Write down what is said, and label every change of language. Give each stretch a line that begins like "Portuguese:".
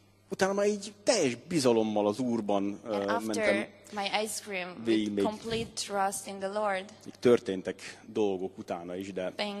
Hungarian: Utána már így teljes bizalommal az Úrban mentem.
English: My ice cream with complete trust in the Lord.
Hungarian: Történtek dolgok utána is, de